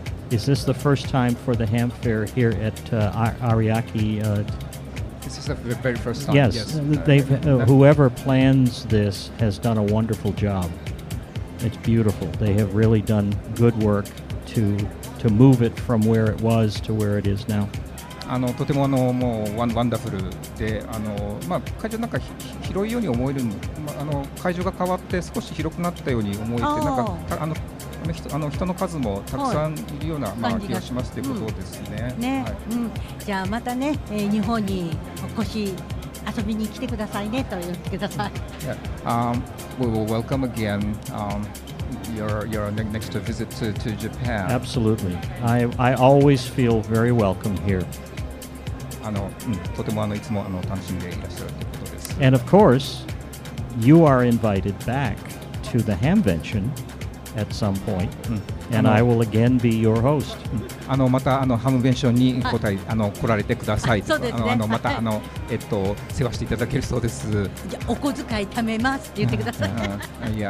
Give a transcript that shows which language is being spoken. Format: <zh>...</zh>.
<en>Is this the first time for the ham fair here at Ariake? This is the very first time. Yes. Whoever plans this has done a wonderful job. It's beautiful. They have really done good work to move it from where it was to where it is now.</en> <ja>とてももうワンダフルで、会場なんか広いように思える、会場が変わって少し広くなったように思えて、人の数もたくさんいるような、気がしますということですね。じゃあまたね、日本にお越し遊びに来てくださいねと言ってください。</ja> <en>We will welcome again、your next visit to Japan. Absolutely. I always feel very welcome here.</en> <ja>とてもいつも楽しんでいらっしゃるということです。</ja> <en>And of course, you are invited back to the Hamvention at some point, and I will again be your host.</en> <ja>またハムベンションに来られてください。そうですね。また世話していただけるそうです。じゃあお小遣い貯めますって言ってください。</ja>